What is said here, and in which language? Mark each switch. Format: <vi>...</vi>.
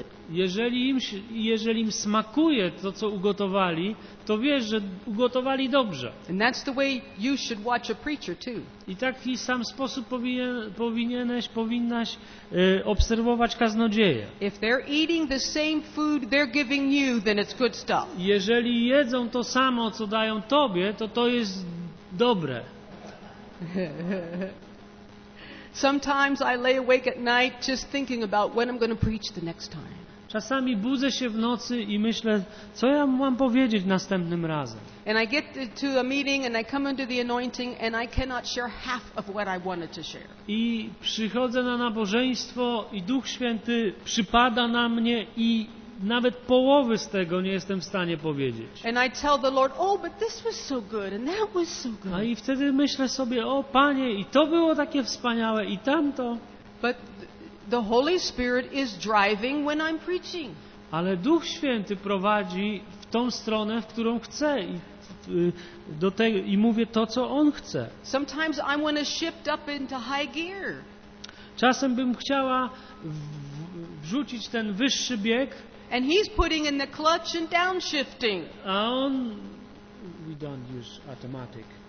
<pl>Jeżeli im smakuje to, co ugotowali, to wiesz, że ugotowali dobrze.</pl> <en>And that's the way you should watch a preacher too.</en> <pl>I taki sam sposób powinnaś obserwować kaznodzieję.</pl> <en>If they're eating the same food they're giving you, then it's good stuff.</en> <pl>Jeżeli jedzą to samo, co dają tobie, to jest dobre.</pl> <en>Sometimes I lay awake at night just thinking about when I'm going to preach the next time.</en> <pl>Czasami budzę się w nocy i myślę, co ja mam powiedzieć następnym razem.</pl> <en>And I get to a meeting and I come under the anointing and I cannot share half of what I wanted to share.</en> <pl>I przychodzę na nabożeństwo i Duch Święty przypada na mnie i nawet połowy z tego nie jestem w stanie powiedzieć.</pl> <en>And I tell the Lord, oh, but this was so good and that was so good.</en> <pl>A i wtedy myślę sobie, o Panie, i to było takie wspaniałe i tamto.</pl> <en>But the Holy Spirit is driving when I'm preaching.</en> <pl>Ale Duch Święty prowadzi w tą stronę, w którą chce i do tego i mówię to, co on chce.</pl> <en>Sometimes I want to shift up into high gear.</en> <pl>Czasem bym chciała wrzucić ten wyższy bieg.</pl> <en>And he's putting in the clutch and downshifting.</en> <pl>A on,</pl> <en>we don't use automatic.</en>